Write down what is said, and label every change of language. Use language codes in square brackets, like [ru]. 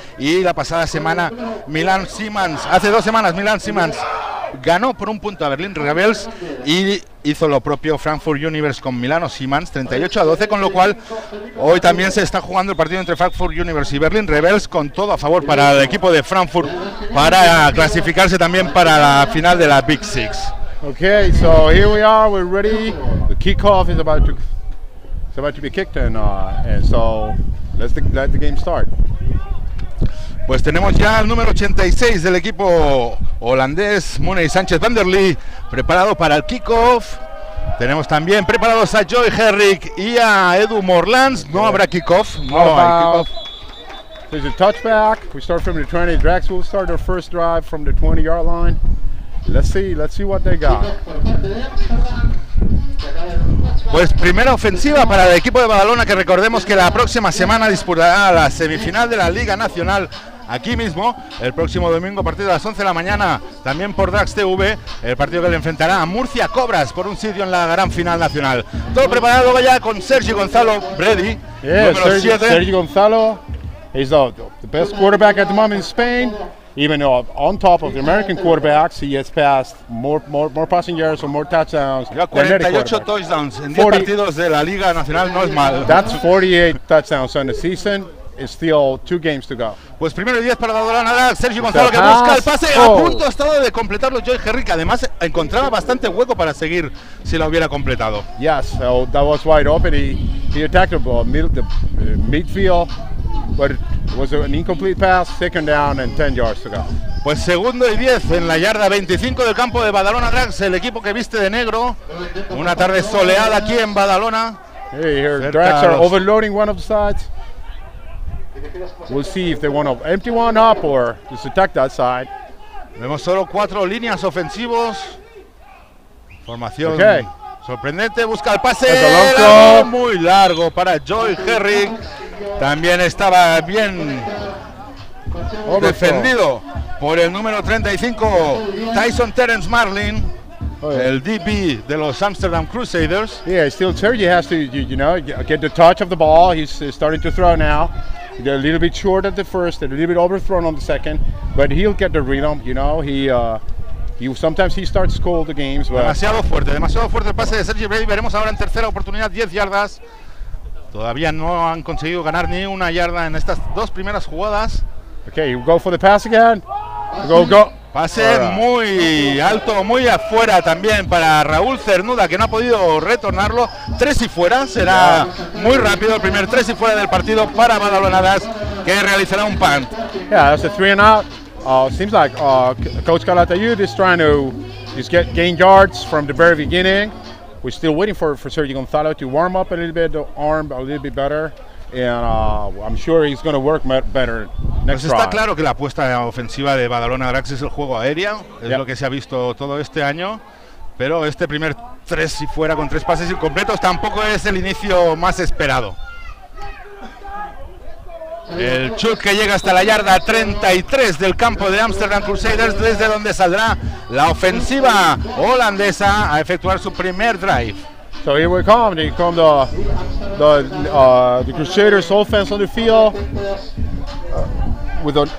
[es] Y la pasada semana, hace dos semanas, Milan Siemens ganó por un punto a Berlin Rebels y hizo lo propio Frankfurt Universe con Milano Siemens, 38-12, con lo cual hoy también se está jugando el partido entre Frankfurt Universe y Berlin Rebels, con todo a favor para el equipo de Frankfurt para clasificarse también para la final de la Big Six. [en] Okay, so here we are, we're ready. The kickoff is about to be kicked and so let the game start. [es] Pues tenemos ya el número 86 del equipo holandés, Muney Sánchez van der Lee, preparado para el kickoff. Tenemos también preparados a Joy Herrick y a Edu Morlans. No habrá kickoff. No hay kickoff. [en] There's a touchback. We start from the 20. Drax will start their first drive from the 20 yard line. Let's see what they got. [es] Pues primera ofensiva para el equipo de Badalona, que recordemos que la próxima semana disputará la semifinal de la Liga Nacional. Aquí mismo, el próximo domingo, a partir de las 11 de la mañana, también por Drax TV, el partido que le enfrentará a Murcia Cobras por un sitio en la gran final nacional. Todo preparado ya con Sergi Gonzalo Brady, número 7. [en] Sergi Gonzalo is the best quarterback at the moment in Spain. Even on top of the American quarterbacks, he has passed more passing yards or more touchdowns. [es] Ya 48 touchdowns en 10 partidos de la Liga Nacional, no es mal. [en] That's 48 touchdowns on the season. It's still two games to go. [es] Pues primero y 10 para Badalona Drax. Sergio Gonzalo que busca el pase. Oh. A punto ha estado de completarlo Joy Herrick. Además, encontraba bastante hueco para seguir si la hubiera completado. [en] Yes, so that was wide open. He attacked the midfield, but it was an incomplete pass. Second down and 10 yards to go. [es] Pues segundo y 10 en la yarda 25 del campo de Badalona Drax, el equipo que viste de negro. Una tarde soleada aquí en Badalona. [en] Hey, here Drax are overloading one of the sides. We'll see if they want to empty one up or just attack that side. [es] Vemos solo cuatro líneas ofensivos. Formación. Okay. Sorprendente, busca el pase. Muy largo para Joy Herrick. También estaba bien defendido por el número 35, Tyson Terence Marlin, el DB de los Amsterdam Crusaders. [en] Yeah, still Sergi has to, you know, get the touch of the ball. He's starting to throw now. A little bit short at the first, a little bit overthrown on the second, but he'll get the rhythm, you know. Sometimes he starts cold the games, but [es] demasiado fuerte el pase de Sergi Brady. Veremos ahora en tercera oportunidad, 10 yardas. Todavía no han conseguido ganar ni una yarda en estas dos primeras jugadas. [en] Okay, go for the pass again. Go. [es] Pase muy alto, muy afuera también para Raúl Cernuda, que no ha podido retornarlo. Tres y fuera, será muy rápido el primer tres y fuera del partido para Badalona Drax, que realizará un punt. [en] Yeah, that's a three and out. Seems like Coach Calatayud is trying to He's gained yards from the very beginning. We're still waiting for Sergio Gonzalo to warm up a little bit, the arm a little bit better. And I'm sure he's going to work better next try. [es] Pues está claro que la apuesta ofensiva de Badalona Drax es el juego aéreo. Es lo que se ha visto todo este año. Pero este primer tres y fuera con tres pases incompletos tampoco es el inicio más esperado. El chut que llega hasta la yarda 33 del campo de Amsterdam Crusaders, desde donde saldrá la ofensiva holandesa a efectuar su primer drive. [en] So here we come. Here come the Crusaders offense on the field with